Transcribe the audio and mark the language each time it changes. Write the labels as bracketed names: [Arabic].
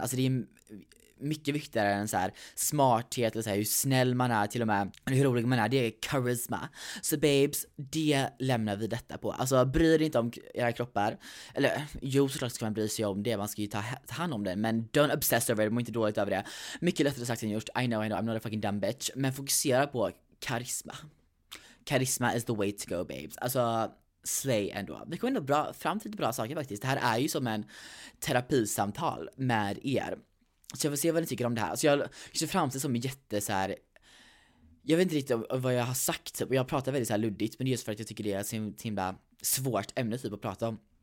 [Swedish] Alltså det är mycket viktigare än så här smarthet eller så här, hur snäll man är, till och med hur rolig man är. Det är charisma. Så babes, det lämnar vi detta på. Alltså bry dig inte om era kroppar. Eller jo, såklart ska man bry sig om det. Man ska ju ta hand om det. Men [English] don't obsess over it, [Swedish] må inte dåligt över det. Mycket lättare sagt än gjort. [English] I know, I'm not a fucking dumb bitch. [Swedish] Men fokusera på karisma. [English] Karisma is the way to go, babes. [Swedish] Alltså slay ändå. Det kommer ändå bra, fram till bra saker faktiskt. Det här är ju som en terapisamtal med er. Så jag får se vad ni tycker om det här. Så jag ser fram till som jätte så här. Jag vet inte riktigt om vad jag har sagt. Jag pratar väldigt så här luddigt, men det är just för att jag tycker det är ett himla svårt ämne typ att prata om.